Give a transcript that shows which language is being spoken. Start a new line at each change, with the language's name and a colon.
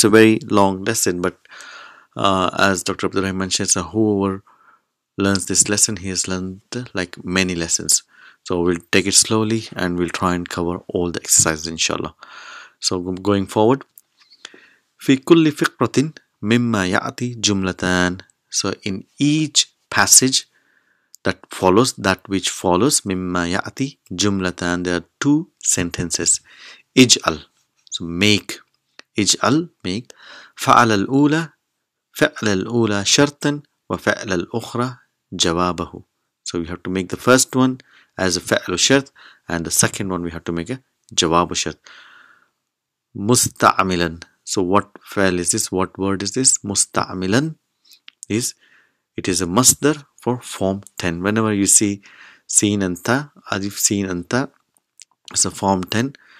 English: It's a very long lesson, but as Dr. Abdul Rahim mentioned, so whoever learns this lesson, he has learned like many lessons. So we'll take it slowly and we'll try and cover all the exercises, inshallah. So going forward,
Arabic: في كل فقرة مما يأتي جملتان.
English: So in each passage that follows, that which follows,
Arabic: مما يأتي جملتان,
English: there are two sentences. اجعل, so make. اجعل, make.
Arabic: فعل الأولى, فعل الأولى شرطا وفعل الأخرى جوابه.
English: So we have to make the first one as a
Arabic: فعل شرط,
English: and the second one we have to make a
Arabic: جواب شرط.
English: Musta'amilan. So what fa'al is this? What word is this? Musta'amilan is, it is a masdar for form 10. Whenever you see seen and ta, as if seen and ta, it's a form 10.